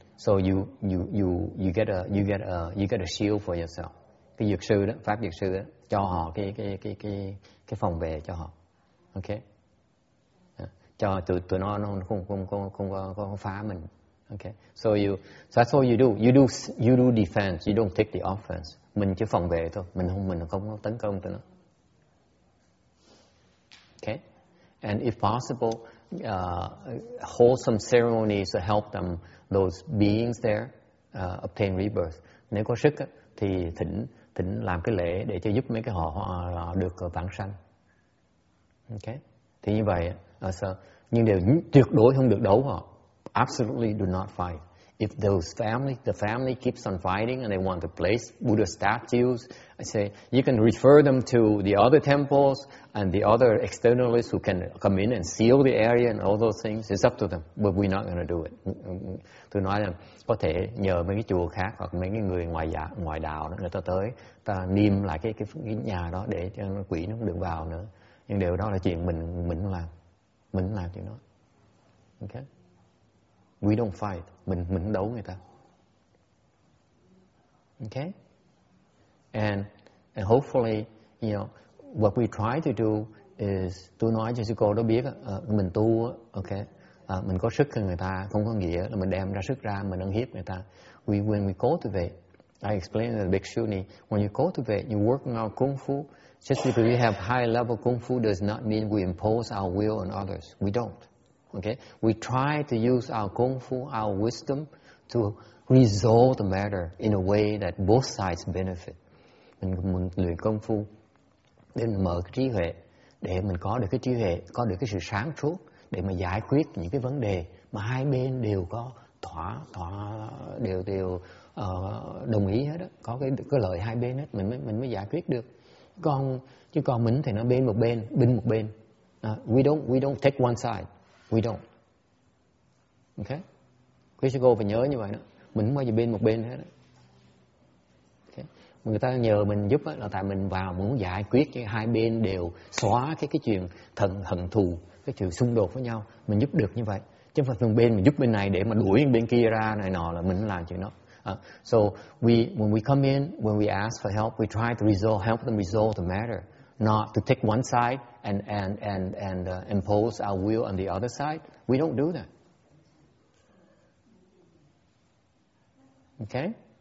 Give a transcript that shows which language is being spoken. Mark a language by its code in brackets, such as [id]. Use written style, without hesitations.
[en] So you get a shield for yourself. [vi] Cái dược sư đó, pháp dược sư đó, cho họ cái phòng vệ cho họ. Okay. Cho tụi nó không có phá mình. [en] Okay. So that's all you do. You do defense, you don't take the offense. [vi] Mình chỉ phòng vệ thôi, mình không có tấn công tụi nó. Okay. [en] And if possible, wholesome ceremonies to help them, those beings there, obtain rebirth. [vi] Nếu có sức thì thỉnh làm cái lễ để cho giúp mấy cái họ được vãng sanh. Okay. Thì như vậy, nhưng đều tuyệt đối không được đấu họ. [en] Absolutely do not fight. If the family keeps on fighting and they want to place Buddha statues, I say you can refer them to the other temples and the other externalists who can come in and seal the area and all those things. It's up to them, but we're not going to do it. [vi] Tôi nói là có thể nhờ mấy cái chùa khác hoặc mấy cái người ngoài đạo đó, người ta tới, ta niêm lại cái nhà đó để cho quỷ nó không được vào nữa. Nhưng điều đó là chuyện mình làm chuyện đó. [en] Okay. We don't fight. [vi] Mình đấu người ta. Okay? [en] And hopefully, you know, what we try to do is, [vi] tôi nói cho sư cô đó biết, mình tu, okay, mình có sức hơn người ta, không có nghĩa là mình đem ra sức ra, mình ăn hiếp người ta. [en] When we cultivate, I explained to the big shuni, when you cultivate, you work on our kung fu, just because we have high level kung fu does not mean we impose our will on others. We don't. Okay, we try to use our kung fu, our wisdom, to resolve the matter in a way that both sides benefit. [vi] Mình luyện công phu để mình mở cái trí huệ, để mình có được cái trí huệ, có được cái sự sáng suốt để mà giải quyết những cái vấn đề mà hai bên đều có thỏa đều đồng ý hết đó, có cái lợi hai bên hết, mình mới giải quyết được. Còn mình thì nó bên một bên, binh một bên. [en] We don't take one side. We don't. [vi] Okay? Quý sư cô phải nhớ như vậy đó. Mình không bao giờ bên một bên hết đó. Okay? người ta nhờ mình giúp là tại mình vào muốn giải quyết cho hai bên đều xóa cái chuyện thần hận thù, cái chuyện xung đột với nhau, mình giúp được như vậy. Chứ không phải thường bên mình giúp bên này để mà đuổi bên kia ra này nọ là mình làm chuyện đó. [en] So when we come in, when we ask for help, we try to resolve, help them resolve the matter, not to take one side and impose our will on the other side. We don't do that. Okay?